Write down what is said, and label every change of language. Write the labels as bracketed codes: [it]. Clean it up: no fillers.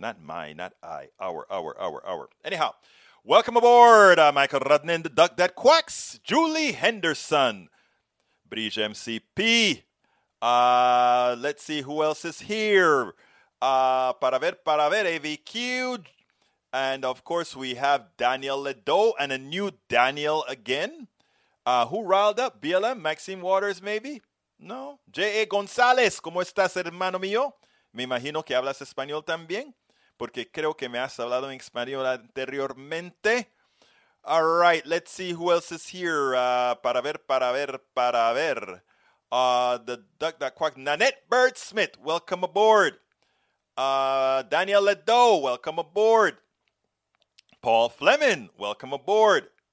[en] Not my, not I, our. Anyhow, welcome aboard, Michael Rudnin, the duck that quacks, Julie Henderson, Bridge MCP. Let's see who else is here. [es] Para ver, [en] AVQ. And of course, we have Daniel Ledo and a new Daniel again. Who riled up? BLM? Maxine Waters, maybe? No? J.A. [es] Gonzalez, ¿cómo estás, hermano mío? Me imagino que hablas español también, porque creo que me has hablado en español anteriormente. [en] All right, let's see who else is here. [es] Para ver. [en] The duck that quacked, Nanette Birdsmith, welcome aboard. Daniel Ledo, welcome aboard. Paul Fleming, welcome aboard.